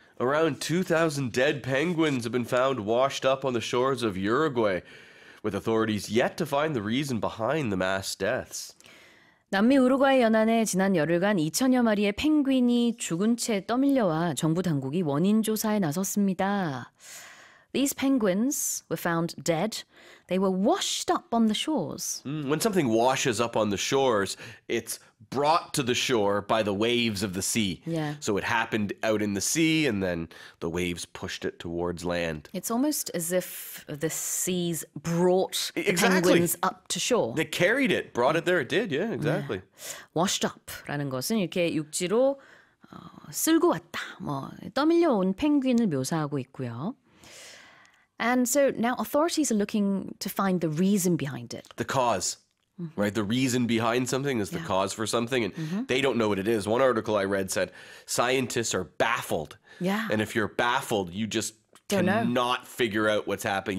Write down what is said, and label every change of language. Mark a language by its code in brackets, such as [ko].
[en] Around 2,000 dead penguins have been found washed up on the shores of Uruguay, with authorities yet to find the reason behind the mass deaths. [ko] 남미 우루과이 연안에 지난 열흘간 2천여 마리의 펭귄이 죽은 채 떠밀려와 정부 당국이 원인 조사에 나섰습니다. [en] These penguins were found dead. They were washed up on the shores. When something washes up on the shores, it's brought to the shore by the waves of the sea. Yeah. So it happened out in the sea, and then the waves pushed it towards land. It's almost as if the seas brought penguins up to shore. They carried it, brought it there. It did, yeah, exactly. Yeah. [ko] Washed up라는 것은 이렇게 육지로 쓸고 왔다. 뭐 떠밀려온 펭귄을 묘사하고 있고요. [en] And so now authorities are looking to find the reason behind it. The cause, mm-hmm. right? The reason behind something is the yeah. cause for something. And mm-hmm. they don't know what it is. One article I read said, scientists are baffled. Yeah. And if you're baffled, you just cannot figure out what's happening.